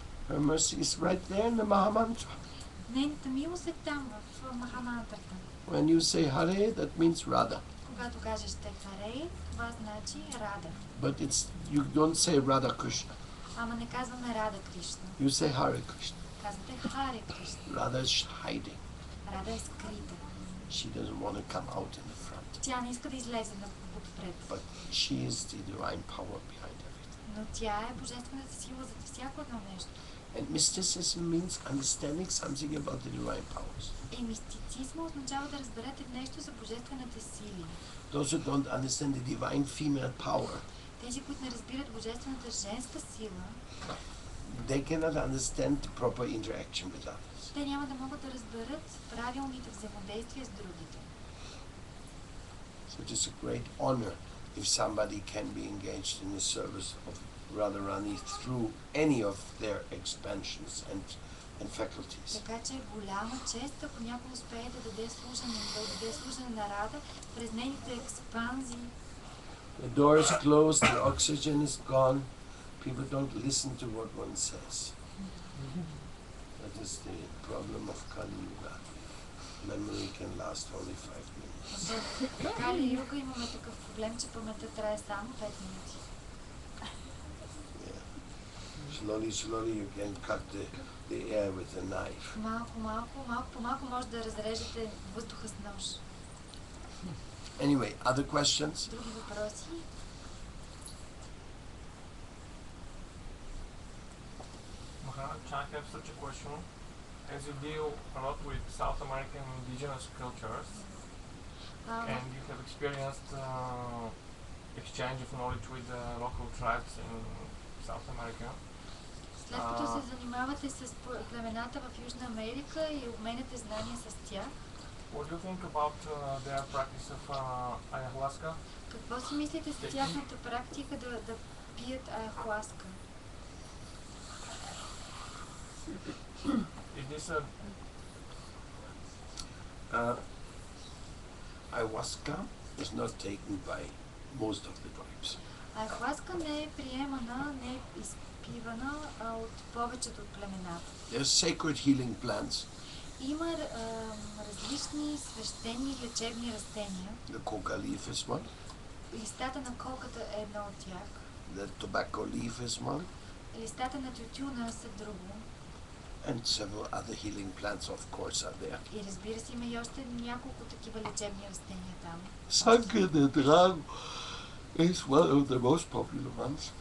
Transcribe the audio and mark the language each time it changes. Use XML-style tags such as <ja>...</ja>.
<en>Her mercy is right there in the Mahamantra.</en> <bg>Нейната милост е там, в Махамантрата.</bg> <en>When you say Hare, that means Radha.</en> <bg>Когато кажеш те Харе, това значи Рада.</bg> <en>But it's you don't say Radha Krishna.</en> <bg>Ама не казваме Рада Кришна.</bg> <en>You say Hare Krishna.</en> <bg>Казвате Харе Кришна.</bg> <en>Radha is hiding.</en> <bg>Рада е скрита.</bg> <en>She doesn't want to come out in the front.</en> <bg>Тя не иска да излезе напред.</bg> <en>But she is the divine power behind everything.</en> <bg>Но тя е божествената сила за всяко едно нещо.</bg> <en>And mysticism means understanding something about the divine powers.</en> <bg>И мистицизма означава да разберете нещо за божествената сила.</bg> <en>Those who don't understand the divine female power.</en> <bg>Тези, които не разбират божествената женска сила,</bg> <en>they cannot understand the proper interaction with others.</en> <bg>Те няма да могат да разберат правилните взаимодействия с другите.</bg> <en>So it is a great honor if somebody can be engaged in the service of Radharani through any of their expansions and faculties.</en> <bg>Така че е голяма чест, ако някой успее да даде служене на Рада през нейните експанзии.</bg> <en>The door is closed, the oxygen is gone. People don't listen to what one says. That is the problem of Kali Yuga. Memory can last only 5 minutes.</en> <bg>Kali Yuga имаме такъв проблем, че паметта трае само 5 минути.</bg> <en>Slowly you can cut the air with a knife.</en> <bg>Малко може да разрежете въздуха с нож.</bg> <en>Anyway, other questions?</en> <bg>Други въпроси?</bg> <en>Maharaj, I have such a question. As you deal a lot with South American indigenous cultures, and you have experienced exchange of knowledge with the local tribes in South America,</en> <bg>след като се занимавате с племената в Южна Америка и обменяте знания с тях,</bg> <en>what do you think about their practice of ayahuasca?</en> <bg>Какво си мислите за тяхната практика да пият айахуаска?</bg> <en>Ayahuasca is not taken by most of the tribes.</en> <bg>Ayahuasca не е приемана, не е изпивана от повечето от племената.</bg> <en>There are sacred healing plants.</en> <bg>Има различни свещени лечебни растения.</bg> <en>The coca leaf is one.</en> <bg>Листата на коката е едно от тях.</bg> <en>The tobacco leaf is one.</en> <bg>Листата на тютюна са друго.</bg> <en>And several other healing plants, of course, are there.</en> <bg>И разбира се, има и още няколко такива лечебни растения там.</bg> <en>Sangre de Drago is one of the most popular ones.</en>